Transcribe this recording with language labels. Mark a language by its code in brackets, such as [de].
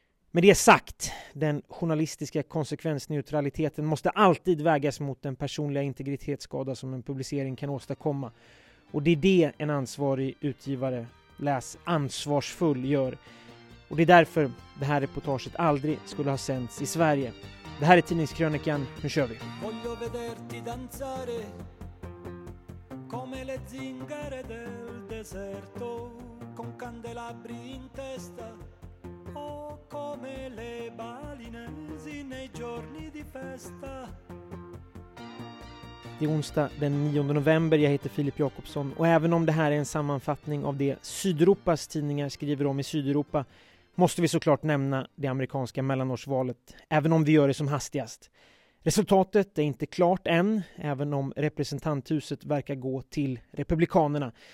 [sv] Men det är sagt, den journalistiska konsekvensneutraliteten måste alltid vägas mot den personliga integritetsskada som en publicering kan åstadkomma. Och det är det en ansvarig utgivare, läs ansvarsfull, gör. Och det är därför det här reportaget aldrig skulle ha sänts i Sverige. Det här är Tidningskrönikan, nu kör vi. [it] Voglio vederti danzare come le zingare del deserto con candelabri in testa o come le balinesi nei giorni di festa. [sv] Det är onsdag den 9 november, jag heter Filip Jakobsson, och även om det här är en sammanfattning av det Sydeuropas tidningar skriver om i Sydeuropa, måste vi såklart nämna det amerikanska mellanårsvalet, även om vi gör det som hastigast. Resultatet är inte klart än, även om representanthuset verkar gå till republikanerna.